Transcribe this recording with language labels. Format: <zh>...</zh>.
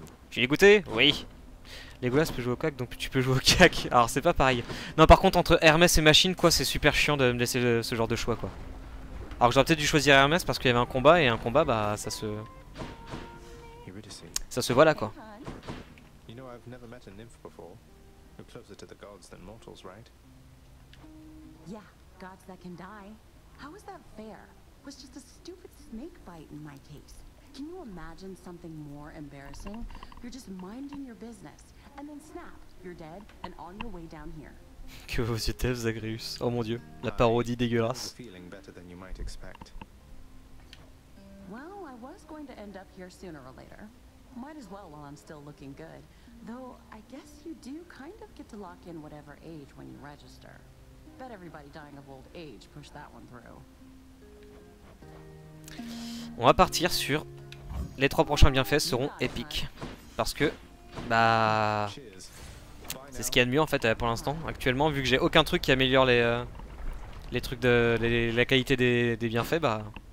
<fr>Tu l'es goûté? Oui. Legolas peut jouer au cac, donc tu peux jouer au cac. Alors c'est pas pareil. Non, par contre, entre Hermès et machine, quoi, c'est super chiant de me laisser ce genre de choix, quoi. Alors que j'aurais peut-être dû choisir Hermès parce qu'il y avait un combat, et un combat, bah, ça se voit là, quoi.</fr> <en>You know, I've never met a nymph before. You're closer to the gods than mortals, right? Yeah, gods that can die. How is that fair? It was just a stupid snake bite in my case. Can you imagine something more embarrassing? You're just minding your business. And then snap, you're dead and on your way down here.</en> <fr>Que vos yeux tels, Zagreus. Oh mon dieu, la parodie dégueulasse.</fr> <en>Feeling better than you might expect. Well, I was going to end up here sooner or later. Might as well while I'm still looking good. Though, I guess you do kind of get to lock in whatever age when you register. Bet everybody dying of old age pushed that one through.</en> <fr>On va partir sur les trois prochains bienfaits seront épiques. Parce que, bah, c'est ce qu'il y a de mieux en fait pour l'instant. Actuellement, vu que j'ai aucun truc qui améliore les trucs de la qualité des bienfaits, bah.</fr>